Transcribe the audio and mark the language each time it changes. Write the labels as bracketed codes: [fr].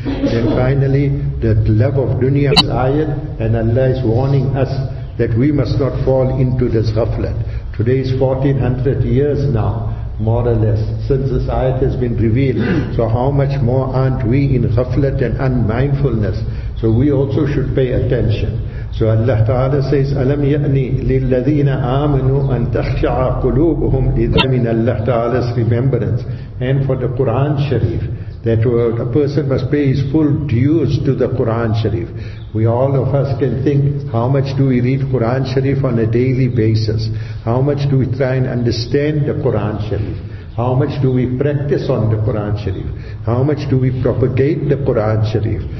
[en] Then finally, that love of dunya is ayat, and Allah is warning us that we must not fall into this ghaflat. Today is 1400 years now, more or less, since this ayat has been revealed. So how much more aren't we in ghaflat and unmindfulness? So we also should pay attention. So Allah Ta'ala says, [ar] أَلَمْ يَأْنِي لِلَّذِينَ آمَنُوا أَنْ تَخْشَعَ قُلُوبُهُمْ لِذَمِنْ [en] Allah Ta'ala's remembrance. And for the Qur'an Sharif, that a person must pay his full dues to the Qur'an Sharif. We all of us can think, how much do we read Qur'an Sharif on a daily basis? How much do we try and understand the Qur'an Sharif? How much do we practice on the Qur'an Sharif? How much do we propagate the Qur'an Sharif?